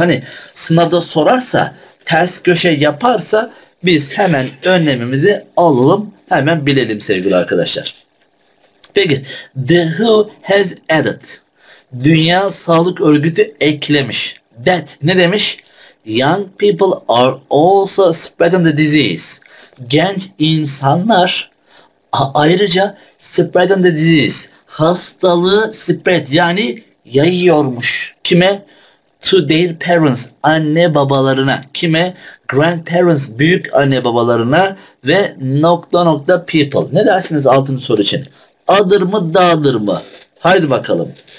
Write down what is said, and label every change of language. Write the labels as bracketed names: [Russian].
[Turkish] Hani sınavda sorarsa, ters köşe yaparsa biz hemen önlemimizi alalım, hemen bilelim sevgili arkadaşlar. Peki, [English] the who has added. [Turkish] Dünya Sağlık Örgütü eklemiş. That ne demiş? [English] Young people are also spreading the disease. [Turkish] Genç insanlar ayrıca [English] spreading the disease. [Turkish] Hastalığı spread yani yayıyormuş. Kime? [English] To their parents, [Turkish] anne babalarına. Kime? Grandparents, büyük anne babalarına ve nokta nokta people. Ne dersiniz altıncı soru için? Adır mı, dağdır mı? Haydi bakalım.